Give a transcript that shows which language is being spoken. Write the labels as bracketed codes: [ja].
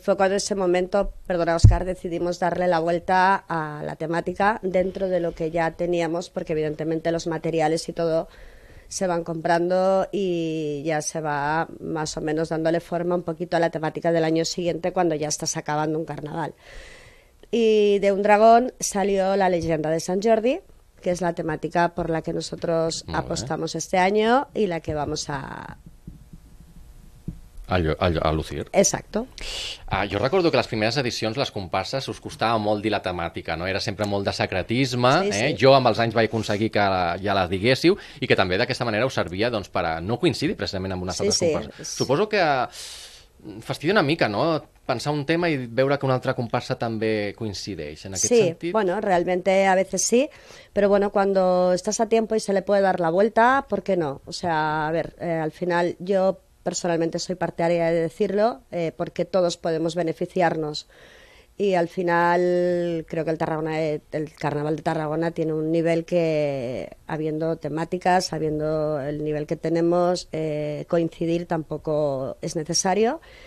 [es] Fue cuando ese momento, perdona Oscar, decidimos darle la vuelta a la temática dentro de lo que ya teníamos, porque evidentemente los materiales y todo se van comprando y ya se va más o menos dándole forma un poquito a la temática del año siguiente cuando ya estás acabando un carnaval. Y de un dragón salió la leyenda de Sant Jordi, que es la temática por la que nosotros muy apostamos bien este año y la que vamos a lucir. Exacto. [ca] Jo recordo que les primeres edicions, les comparses, us costava molt dir la temàtica, no? Era sempre molt de secretisme, sí, eh? Sí. Jo amb els anys vaig aconseguir que ja la diguéssiu i que també d'aquesta manera us servia doncs, per a no coincidir precisament amb unes altres comparses. Suposo que fastidia una mica, no?, pensar un tema i veure que una altra comparsa també coincideix en aquest sí, sentit. [es] Sí, bueno, realmente a veces sí, pero bueno, cuando estás a tiempo y se le puede dar la vuelta, ¿por qué no? O sea, a ver, al final yo personalmente soy partidaria de decirlo porque todos podemos beneficiarnos y al final creo que el Carnaval de Tarragona tiene un nivel que, habiendo temáticas, habiendo el nivel que tenemos, coincidir tampoco es necesario.